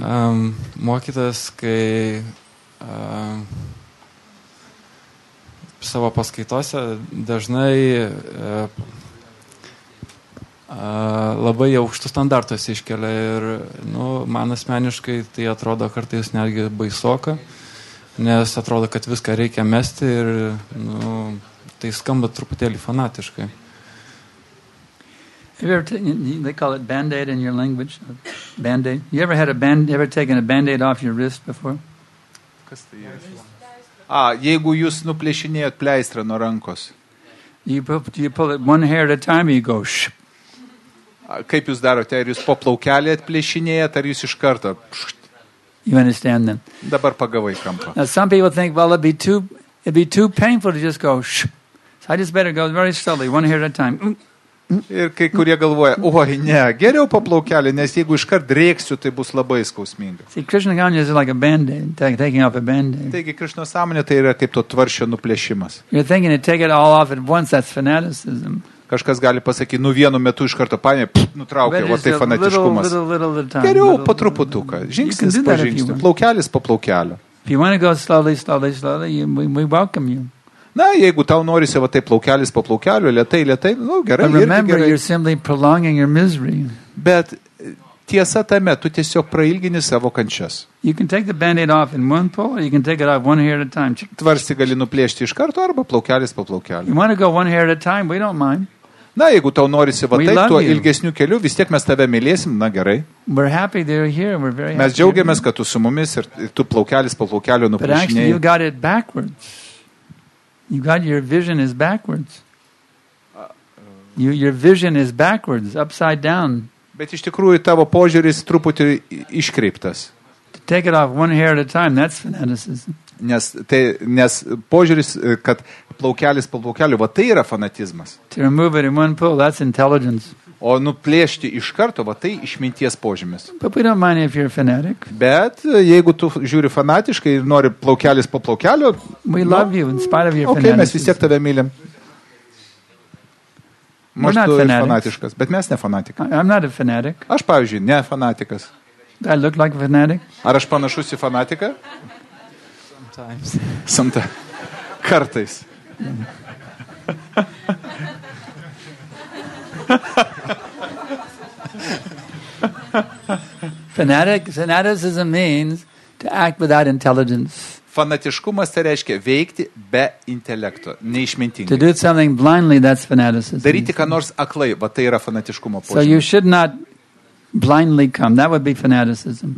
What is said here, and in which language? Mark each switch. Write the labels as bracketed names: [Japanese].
[Lithuanian] Mokytas, kai savo paskaitose dažnai labai aukštus standartus iškelia ir nu, man asmeniškai tai atrodo kartais netgi baisoka, nes atrodo, kad viską reikia mesti ir nu, tai skamba truputėlį fanatiškai. [English] They call it band-aid in your language. Band-aid. You ever had a band, ever taken a band-aid off your wrist before? [Lithuanian] Kas tai yra? Jeigu jūs nuplėšinėjot pleistrą nuo rankos. [English] You pull it one hair at a time, you go sh. [Lithuanian] Kaip jūs darote? Ar jūs po plaukelį atplėšinėjat, ar jūs iš karto? [English] You understand then. [Lithuanian] Dabar pagavai kampą. [English] Now, some people think, well, it'd be too painful to just go sh. So I just better go very slowly, one hair at a time. [Lithuanian] Ir kai kurie galvoja, oi, ne, geriau po plaukelį, nes jeigu iš kart drėksiu, tai bus labai skausminga. [English] See, Krishna consciousness is like a band-aid, taking off a band-aid. [Lithuanian] Taigi, Krishna sąmonė tai yra kaip to tvaršio nuplėšimas. [English] You're thinking to take it all off at once, that's fanaticism. [Lithuanian] Kažkas gali pasakyti, nu vienu metu iš karto paėmė, nutraukė, o tai fanatiškumas. [English] Little time, [Lithuanian] geriau [English] little, [Lithuanian] po truputuką, žingsnis po žingsnio, plaukelis po plaukelio. [English] If you want to go slowly, we welcome you. [Lithuanian] Na, jeigu tau norisi va taip plaukelis po plaukelio, lietai, nu, gerai, [English] But remember, [Lithuanian] gerai. [English] You're simply prolonging your misery. [Lithuanian] Bet tiesa tame, tu tiesiog prailgini savo kančias. [English] You can take the band-aid off in one pull, or you can take it off one hair at a time. [Lithuanian] Tvarsti gali nuplėšti iš karto arba plaukelis po plaukelio. [English] You want to go one hair at a time, we don't mind. [Lithuanian] Na, jeigu tau norisi va taip, tuo ilgesniu keliu, vis tiek mes tave mylėsim, na, gerai. [English] We're happy they're here, we're very happy. [Lithuanian] Mes džiaugiamės, kad tu su mumis ir tu plaukelis po plaukelio nuplėšinėjai. [English] But actually, you got it backwards. You got your vision is backwards. Your vision is backwards, upside down. [Lithuanian] Bet iš tikrųjų tavo požiūris truputį iškreiptas. [English] To take it off one hair at a time, that's fanaticism. [Lithuanian] Nes, tai, nes požiūris, kad plaukelis po plaukelio, va tai yra fanatizmas. [English] To remove it in one pull, that's intelligence. [Lithuanian] O nuplėšti iš karto, va tai išminties požymis. [English] But we don't mind if you're fanatic. [Lithuanian] Bet jeigu tu žiūri fanatiškai ir nori plaukelis po plaukelio, [English] we nu, love you in spite of your okay, fanaticism. [Lithuanian] Mes vis tiek tave mylim. [English] We're not [Lithuanian] fanatiškas, bet mes ne fanatikai. [English] I'm not a fanatic. [Lithuanian] Aš, pavyzdžiui, ne fanatikas. [English] I look like a fanatic. [Lithuanian] Ar aš panašus į fanatiką? [English] Sometimes. Sometimes. [Lithuanian] Kartais. [English] Fanaticism means to act without intelligence. [Lithuanian] Fanatiškumas tai reiškia veikti be intelekto, neišmintingai. [English] To do something blindly, that's fanaticism. [Lithuanian] Daryti ką nors aklai, va tai yra fanatiškumo požymis. [English] So you should not blindly come, that would be fanaticism.